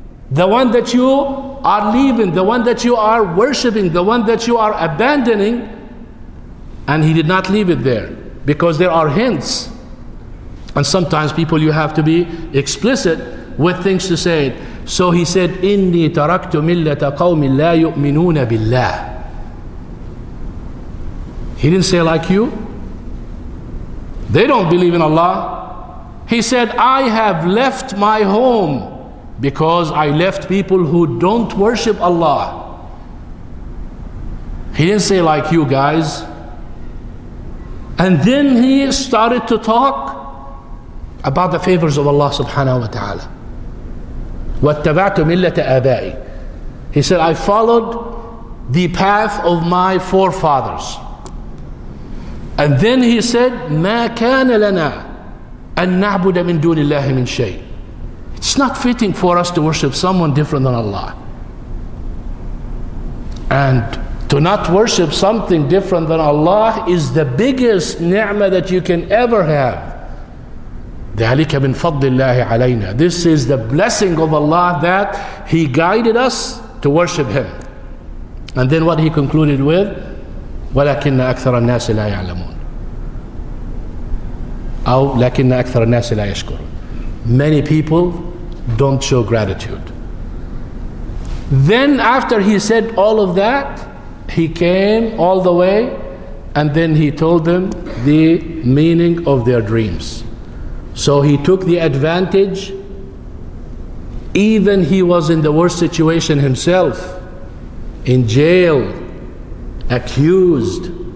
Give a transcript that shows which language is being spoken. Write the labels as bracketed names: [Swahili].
[English] The one that you are leaving, the one that you are worshipping, the one that you are abandoning. And he did not leave it there, because there are hints. And sometimes people, you have to be explicit with things to say it. So he said, [Arabic] إِنِّي تَرَكْتُ مِلَّةَ قَوْمٍ لَا يُؤْمِنُونَ بِاللَّهِ. [English] He didn't say like you. They don't believe in Allah. He said, I have left my home because I left people who don't worship Allah. He didn't say like you guys. And then he started to talk about the favors of Allah subhanahu wa ta'ala. [Arabic] وَاتَّبَعْتُ مِلَّةَ أَبَائِي. [English] He said, I followed the path of my forefathers. And then he said, [Arabic] مَا كَانَ لَنَا أَن نَعْبُدَ مِن دُونِ اللَّهِ مِن شَيْءٍ. [English] It's not fitting for us to worship someone different than Allah. And to not worship something different than Allah is the biggest ni'mah that you can ever have. [Arabic] ذَلِكَ مِن فَضْلِ اللَّهِ عَلَيْنَا. [English] This is the blessing of Allah that He guided us to worship Him. And then what he concluded with, [Arabic] وَلَكِنَّ أَكْثَرَ النَّاسِ لَا يَعْلَمُونَ أو لَكِنَّ أَكْثَرَ النَّاسِ لَا يَشْكُرُونَ. [English] Many people don't show gratitude. Then after he said all of that, he came all the way and then he told them the meaning of their dreams. So he took the advantage, even he was in the worst situation himself, in jail, accused.